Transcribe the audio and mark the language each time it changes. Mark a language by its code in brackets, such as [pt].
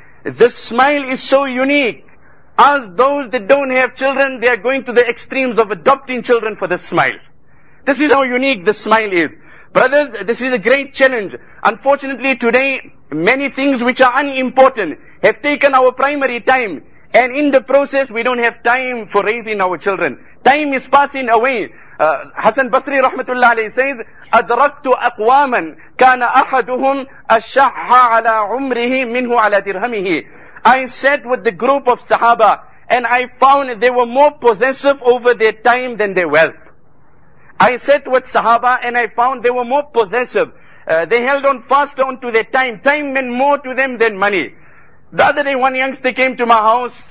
[en] The smile is so unique. Ask those that don't have children, they are going to the extremes of adopting children for the smile. This is how unique the smile is. Brothers, this is a great challenge. Unfortunately, today, many things which are unimportant have taken our primary time. And in the process, we don't have time for raising our children. Time is passing away. [ar] Hasan Basri rahmatullah alayhi says, أَدْرَكْتُ أَقْوَامًا كَانَ أَحَدُهُمْ أَشَّحَّ عَلَىٰ عُمْرِهِ مِنْهُ عَلَىٰ دِرْهَمِهِ. [en] I sat with the group of Sahaba, and I found they were more possessive over their time than their wealth. I sat with Sahaba, and I found they were more possessive. They held on faster onto their time. Time meant more to them than money. The other day, one youngster came to my house.